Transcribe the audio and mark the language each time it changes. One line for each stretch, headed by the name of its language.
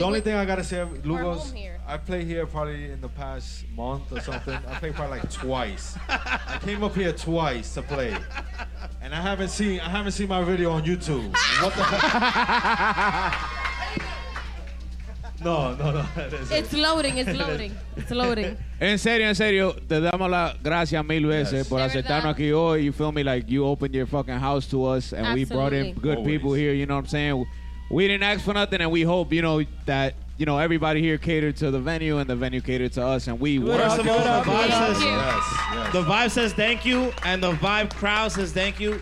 English: The only thing I gotta say, Lugos. I played here probably in the past month or something. I played probably like twice. I came up here twice to play, and I haven't seen my video on YouTube. What the fuck? No, no, no. It's loading.
Spanish: En serio, te damos la gracia mil veces por aceptarnos aquí hoy.
English: You feel me? Like, you opened your fucking house to us, and we brought in good people here, you know what I'm saying? We didn't ask for nothing, and we hope, you know, that, you know, everybody here catered to the venue, and the venue catered to us, and we were. First of all, the vibe says thank you, and the vibe crowd says thank you.